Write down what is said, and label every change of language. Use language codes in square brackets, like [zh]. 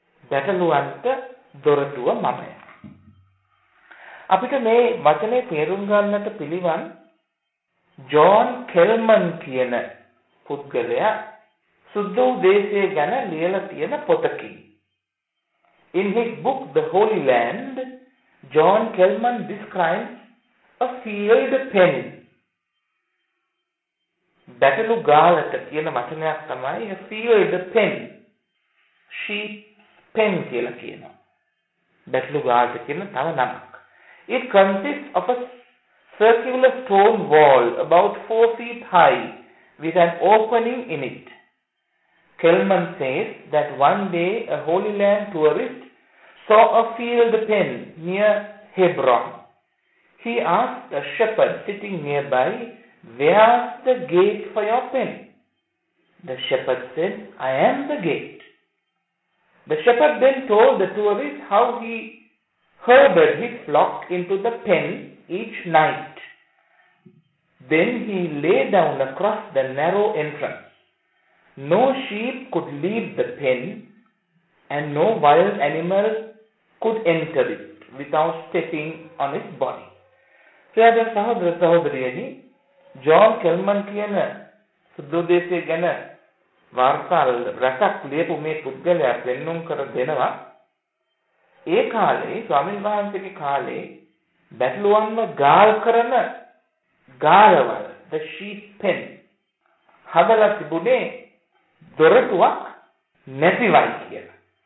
[si] බැටළුවන්ට දොරටුව මමය. අපිට මේ වචනේ තේරුම් ගන්නට පිළිවන් ජෝන් කෙල්මන් කියන පුද්ගලයා සුද්ධ උදේශය ගැන ලියලා තියෙන පොතකින්. [en] In his book The Holy Land, John Kelman describes a field pen. [si] බැටළු ගාලට කියන වචනයක් තමයි a field pen. Sheep pen කියලා කියනවා. බැටළු ගාලට කියන තව නමක්. [en] It consists of a circular stone wall about 4 feet high with an opening in it. Kelman says that one day a Holy Land tourist saw a field pen near Hebron. He asked a shepherd sitting nearby Where's the gate for your pen? The shepherd said, I am the gate. The shepherd then told the tourist how he herded his flock into the pen each night. Then he lay down across the narrow entrance. No sheep could leave the pen, and no wild animal could enter it without stepping on its body. [si] ප්‍රියද සහෝදර සහෝදරියනි, John කෙල්මන් කියන සුද්දෝදේශය ගැන වාර්තාල් රැසක් ලියපු මේ පුද්ගලයා පෙන්නුම් කර දෙනවා. ඒ කාලේ ස්වාමීන් වහන්සේගේ කාලේ බැටළුවන්ව ගාල් කරන ගාලවල the sheep pen හදලා තිබුණේ දොරටුවක් නැතිවයි කියලා.